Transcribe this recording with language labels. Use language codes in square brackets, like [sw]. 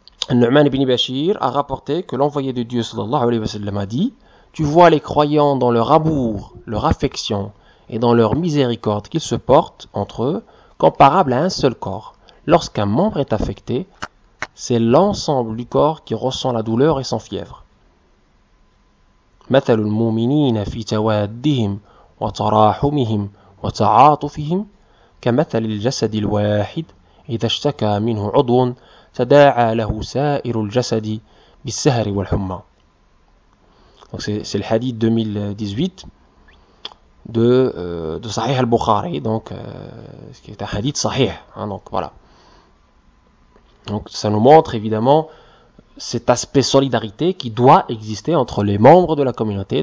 [fr] Nu'man ibn Bashir a rapporté que l'envoyé de Dieu, sallallahu alayhi wa sallam, a dit: Tu vois les croyants dans leur amour, leur affection et dans leur miséricorde qu'ils se portent entre eux, comparables à un seul corps. Lorsqu'un membre est affecté, c'est l'ensemble du corps qui ressent la douleur et sans fièvre. [ar] مثل المؤمنين في توادهم وتراحمهم وتعاطفهم كمثل الجسد الواحد إذا اشتكى منه عضو تداعى له سائر الجسد بالسهر والحمى. [fr] Donc c'est le hadith 2018 de Sahih al-Bukhari, donc ce qui est un hadith sahih, hein, donc voilà. Donc ça nous montre évidemment cet aspect solidarité qui doit exister entre les membres de la communauté.